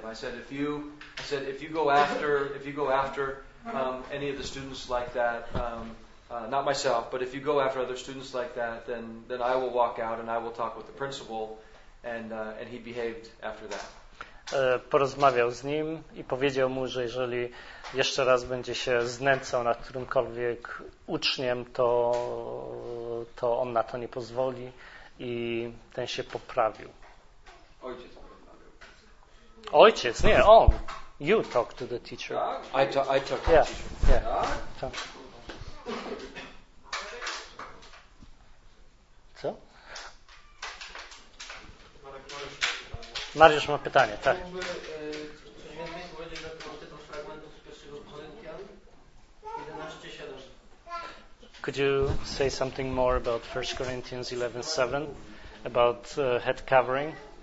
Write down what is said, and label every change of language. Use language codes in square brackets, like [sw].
[en] I said if you go after any of the students like that, not myself, but if you go after other students like that, then I will walk out and I will talk with the principal, and he behaved after that. [pl] Porozmawiał z nim i powiedział mu, że jeżeli jeszcze raz będzie się znęcał nad którymkolwiek uczniem, to on na to nie pozwoli i ten się poprawił. Ojciec. Ojciec, nie, on. [en] You talk to the teacher. I talk to yeah. the teacher. Yeah. Talk. [pl] Co? Mariusz ma pytanie, tak. Chciałbym coś więcej powiedzieć na temat tego fragmentu z 1 Koryntian 11:7. [en] Could you say something more about 1 Corinthians 11:7 about head covering?